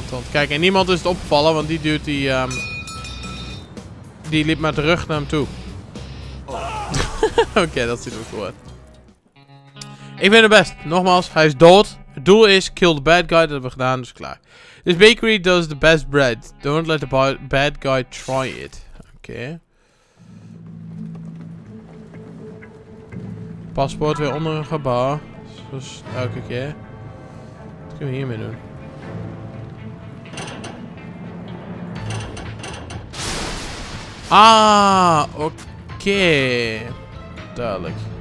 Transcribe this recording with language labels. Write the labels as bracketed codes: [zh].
[nl] Kijk, en niemand is het opgevallen, want die duwt die... die liep met de rug naar hem toe. Oh. Oké, dat ziet er goed uit. Ik ben de best. Nogmaals, hij is dood. Het doel is, [en] kill the bad guy. [nl] Dat hebben we gedaan, dus klaar. [en] This bakery does the best bread. Don't let the bad guy try it. Oké. Okay. [nl] Paspoort weer onder een gebouw. Zoals elke keer. Wat kunnen we hiermee doen? Ah, oké. Okay. Duidelijk.